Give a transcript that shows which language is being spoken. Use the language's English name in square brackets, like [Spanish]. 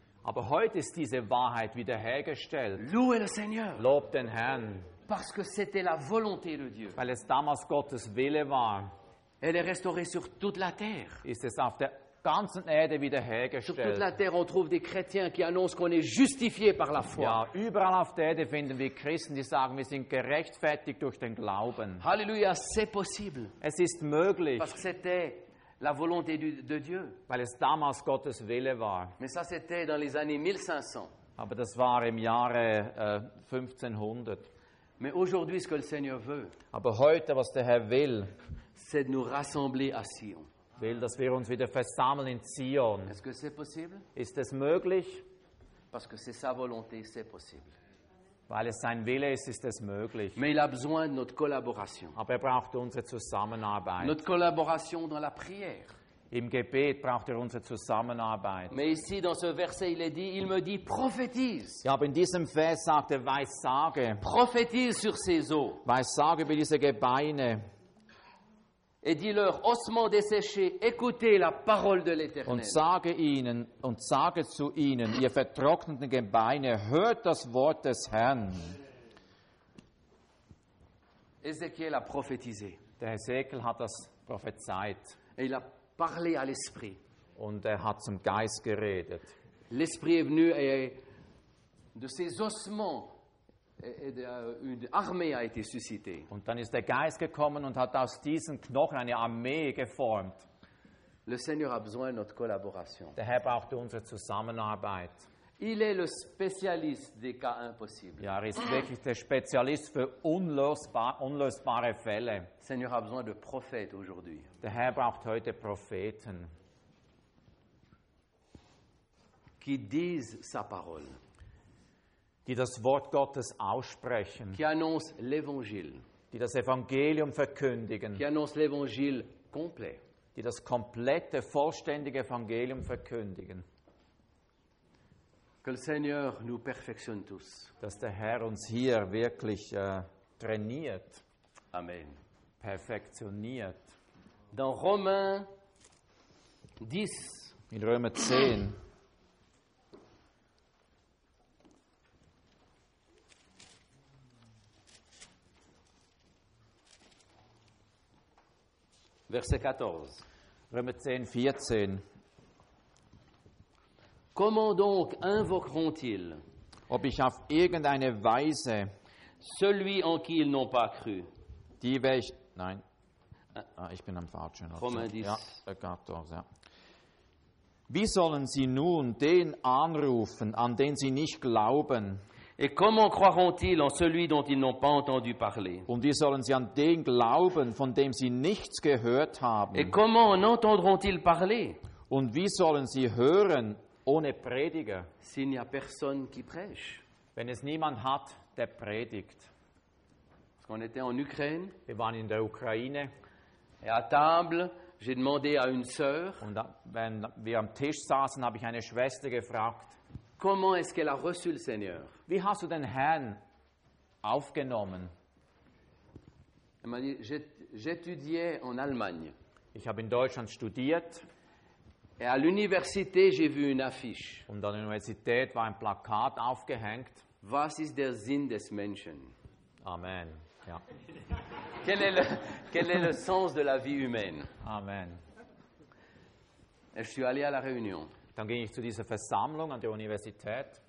[German] Aber heute ist diese Wahrheit wiederhergestellt. [French] Loue le Seigneur. [German] Lob den Herrn. [French] Parce que c'était la volonté de Dieu. [German] Weil es damals Gottes Wille war. [French] Elle est restaurée sur toute la terre. [German] Ist es auf der ganzen Erde wiederhergestellt. [French] Sur toute la terre, on trouve des chrétiens qui annoncent qu'on est justifié par la foi. [German] Ja, überall auf der Erde finden wir Christen, die sagen, wir sind gerechtfertigt durch den Glauben. [French] Halleluja, c'est possible. [German] Es ist möglich. [French] Parce que c'était la volonté de Dieu. [German] Weil es damals Gottes Wille war. [French] Mais ça, c'était dans les années 1500. [German] Aber das war im Jahre 1500. [French] Mais aujourd'hui, ce que le Seigneur veut, [German] aber heute, was der Herr will, [French] c'est de nous rassembler à Sion. [German] Will, dass wir uns wieder versammeln in Zion. [French] Est-ce que c'est possible? [German] Ist es möglich? [French] Parce que c'est sa volonté, c'est possible. [German] Weil es sein Wille ist, ist es möglich. [French] Mais il a besoin de notre collaboration. [German] Aber er braucht unsere Zusammenarbeit. [French] Notre collaboration dans la prière. [German] Im Gebet braucht er unsere Zusammenarbeit. [French] Mais ici, dans ce verset, il est dit, il me dit, prophétise. [German] Ja, aber in diesem Vers sagt er, weissage. [French] Prophétise sur ces os. [German] Weissage über diese Gebeine. [French] Et dis-leur, ossements desséchés, écoutez la parole de l'Éternel. [German] Und sage zu ihnen, ihr vertrockneten Gebeine, hört das Wort des Herrn. [French] Ezekiel a prophétisé. [German] Der Ezekiel hat das prophezeit. [French] Et il a parlé à l'Esprit. [German] Und er hat zum Geist geredet. [French] L'Esprit est venu et de ses ossements. [German] Eine Armee hat suscité. Und dann ist der Geist gekommen und hat aus diesen Knochen eine Armee geformt. [French] Le Seigneur a besoin de notre collaboration. [German] Der Herr braucht unsere Zusammenarbeit. [French] Il est le spécialiste des cas impossibles. [German] Ja, er ist wirklich der Spezialist für unlösbare Fälle. [French] Le Seigneur a besoin de prophètes aujourd'hui. [German] Der Herr braucht heute Propheten. [French] Qui disent sa parole. [German] Die das Wort Gottes aussprechen. [French] Qui annonce l'évangile. [German] Die das Evangelium verkündigen. [French] Qui annonce l'évangile complet. [German] Die das komplette, vollständige Evangelium verkündigen. [French] Que le Seigneur nous perfectionne tous. [German] Dass der Herr uns hier wirklich trainiert. Amen. Perfektioniert. [French] Dans Romains 10. [German] In Römer 10. [French] Verset 14. [German] Römer 10, 14. [French] Comment donc invoqueront-ils? [German] Ob ich auf irgendeine Weise [French] celui en qui ils n'ont pas cru? [German] Die welche, nein. Ah, ich bin am falschen. [French] Romains 10. [German] Ja, 14, ja. Wie sollen sie nun den anrufen, an den sie nicht glauben? [French] Et comment croiront-ils en celui dont ils n'ont pas entendu parler? [German] Und wie sollen sie an den glauben, von dem sie nichts gehört haben? [French] Et comment en entendront-ils parler? [German] Und wie sollen sie hören ohne Prediger? [French] S'il n'y a personne qui prêche. [German] Wenn es niemand hat, der predigt. [French] Parce qu'on était en Ukraine. [German] Wir waren in der Ukraine. [French] Et à table, j'ai demandé à une sœur. [German] Und wenn wir am Tisch saßen, habe ich eine Schwester gefragt. [French] Comment est-ce qu'elle a reçu le Seigneur? [German] Wie hast du den Herrn aufgenommen? [French] Elle m'a dit, j'étudiais en Allemagne. [German] Ich habe in Deutschland studiert. [French] Et à l'université, j'ai vu une affiche. [German] Und an der Universität war ein Plakat aufgehängt. Was ist der Sinn des Menschen? Amen. Ja. [French] Quel est le sens de la vie humaine? Amen. Et je suis allé à la réunion. [German] Dann ging ich zu dieser Versammlung an der Universität.